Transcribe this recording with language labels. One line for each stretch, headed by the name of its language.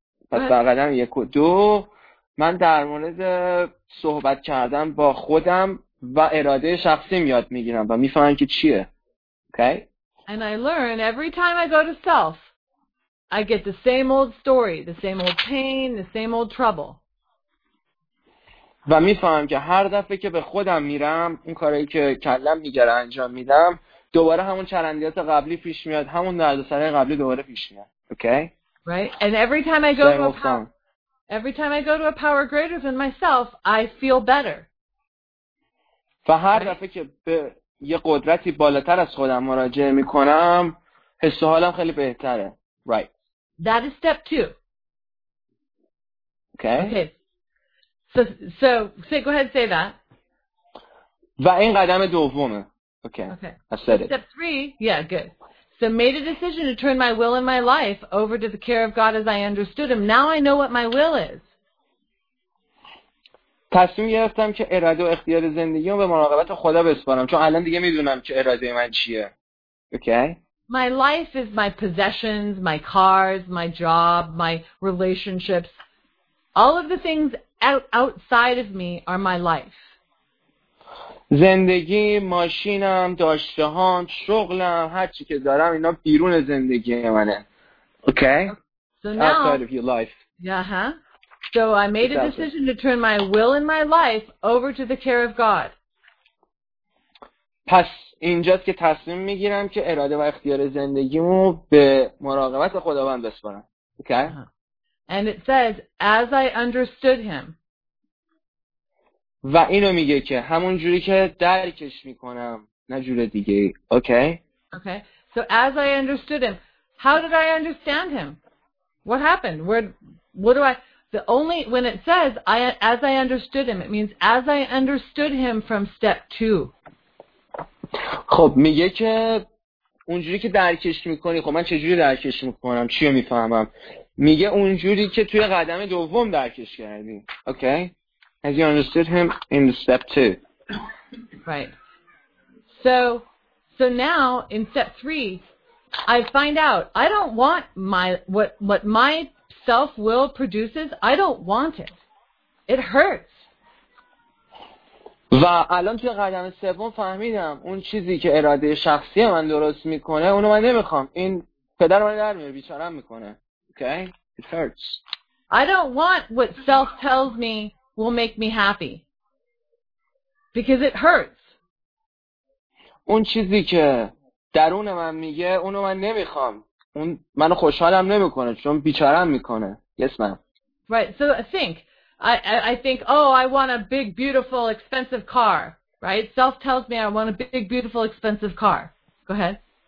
Persian: پس در قدم 1 و 2 من در مورد صحبت کردن با خودم و اراده شخصی یاد میگیرم و میفهمم که چیه.
English: Okay. And I learn every time I go to self I get the same old story, the same old pain, the same old trouble.
Persian: و میفهمم که هر دفعه که به خودم میرم اون کاری که کلم میگره انجام میدم، دوباره همون چرندیات قبلی پیش میاد، همون دردسرای قبلی دوباره پیش میاد.
English: Okay? Right? And every time I go to a power greater than myself, I feel better.
Persian: و هر دفعه که به یه قدرتی بالاتر از خودم مراجعه میکنم، حس و حالم خیلی بهتره.
English: Right. That is step 2. Okay? So, go ahead and say that.
Persian: و این قدم دومه. Okay.
English: I said it. Step 3. Yeah, good. So, made a decision to turn my will and my life over to the care of God as I understood Him. Now I know what my will is.
Persian: تصمیم گرفتم که اراده و اختیار زندگیمو به مراقبت خدا بسپارم، چون الان دیگه میدونم که اراده من چیه.
English: Okay? My life is my possessions, my cars, my job, my relationships. All of the things outside of me are my life.
Persian: زندگی، ماشینم، داشته‌هام، شغلم، هر چی که دارم اینا بیرون زندگی منه.
English: Okay? So now, outside of your life. Uh-huh. So I made a decision to turn my will and my life over to the care of God.
Persian: پس اینجاست که تصمیم میگیرم که اراده و اختیار زندگیمو به مراقبت خداوند بسپارم.
English: Okay? Uh-huh. And it says, as I understood him.
Persian: و اینو میگه که همون جوری که درکش میکنم، نه جور دیگه.
English: Okay. Okay. So as I understood him, how did I understand him? What happened? When it says as I understood him, it means as I understood him from step 2.
Persian: خب میگه که اونجوری که درکش میکنی، خب من چجوری درکش میکنم، چیو میفهمم؟ میگه اونجوری که توی قدم دوم درکش کردی.
English: Okay? okay. As you understood him in step 2. Right. So now in step 3, I find out I don't want what my self will produces. I don't want it. It hurts.
Persian: و الان توی قدم سوم فهمیدم اون چیزی که اراده شخصی من درست میکنه اونو من نمیخوام، این پدر من در میاره بیچارم میکنه.
English: Okay, it hurts. I don't want what self tells me will make me happy because it hurts.
Persian: اون چیزی که درون من میگه اونو من نمیخوام، اون منو خوشحالم نمیکنه چون بیچارم میکنه.
English: Yes ma'am. Right, so I think, oh, I want a big, beautiful, expensive car, right? Self tells me I want a big, beautiful, expensive car. Go ahead.